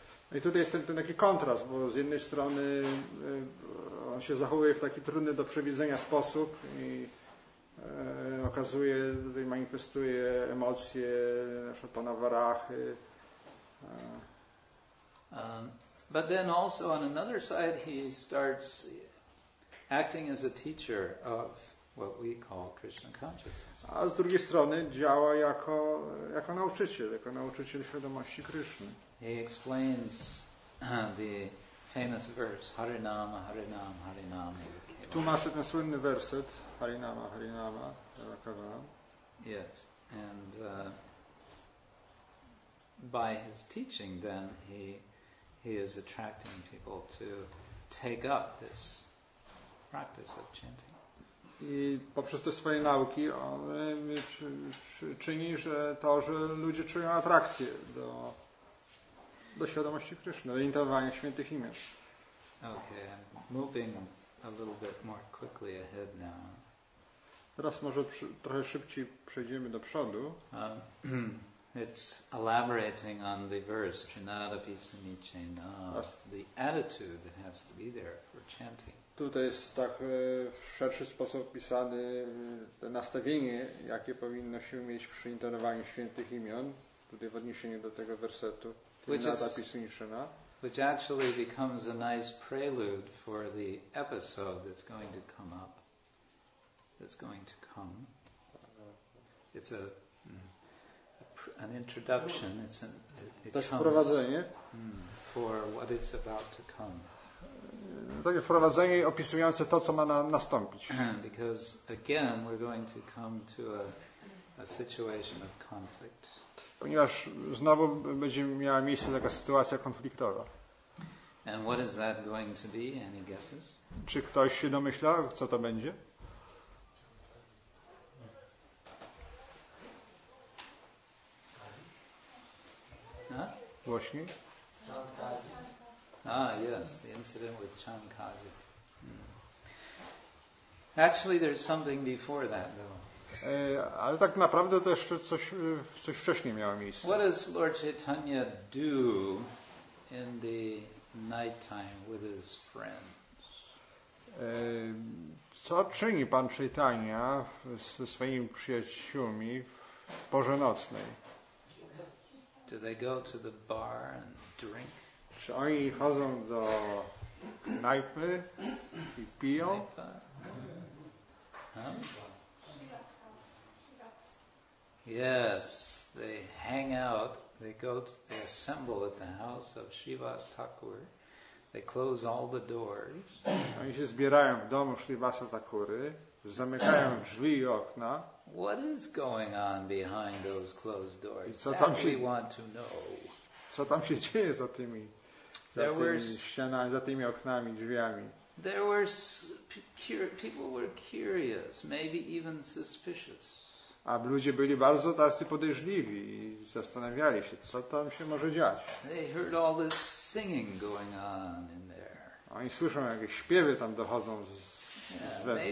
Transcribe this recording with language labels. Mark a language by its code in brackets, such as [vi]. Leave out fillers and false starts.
[pl] I tutaj jest ten taki kontrast, bo z jednej strony on się zachowuje w taki trudny do przewidzenia sposób i okazuje, tutaj manifestuje emocje naszego pana Varahy. [en] But then also on another side, he starts acting as a teacher of what we call Krishna consciousness. [pl] A z drugiej strony działa jako nauczyciel, jako nauczyciel świadomości Kryszny. [en] He explains the famous verse Harinama, Harinama, Harinama. [pl] Tłumaczy ten słynny werset Harinama, Harinama, Kavanam. [en] Yes, and by his teaching, then he is attracting people to take up this practice of chanting. [pl] I poprzez te swoje nauki on czyni, że to, że ludzie czują atrakcję do świadomości Kryszny, do intonowania świętych imion. [en] Okay, I'm moving a little bit more quickly ahead now. [pl] Teraz może trochę szybciej przejdziemy do przodu. [en] It's elaborating on the verse Trinada Pisamiche Na, the attitude that has to be there for chanting. [pl] Tutaj jest tak w szerszy sposób pisany to nastawienie, jakie powinno się mieć przy intonowaniu świętych imion. Tutaj w odniesieniu do tego wersetu Trinada Pisamiche Na. [en] Which actually becomes a nice prelude for the episode that's going to come up. That's going to come. It's an introduction. For what it's about to come. [pl] Takie wprowadzenie opisujące to, co ma nastąpić. [en] Because again, we're going to come to a situation of conflict. [pl] Ponieważ znowu będzie miała miejsce taka sytuacja konfliktowa. [en] And what is that going to be? Any guesses? [pl] Czy ktoś się domyśla, co to będzie? Głośniej. [en] Ah, yes, the incident with Chan Kazi. Actually, there's something before that, though. [pl] Ale tak naprawdę to jeszcze coś wcześniej miało miejsce. [en] What does Lord Chaitanya do in the night time with his friends? [pl] Co czyni Pan Chaitanya ze swoimi przyjaciółmi w porze nocnej? [en] Do they go to the bar and drink? [pl] Czy oni chodzą do knajpy i piją? [en] Yes, they hang out. They assemble at the house of Shivas Thakur. They close all the doors. [pl] Oni się zbierają w domu Shrivasa Thakury, zamykają drzwi i okna. [en] What is going on behind those closed doors? We want to know. [pl] Co tam się dzieje za tymi ścianami, za tymi oknami, drzwiami? [en] There were people were curious, maybe even suspicious. [pl] A ludzie byli bardzo tacy podejrzliwi i zastanawiali się, co tam się może dziać. [en] They heard all this singing going on in there. [pl] Oni słyszą, jakieś śpiewy tam dochodzą z wewnątrz.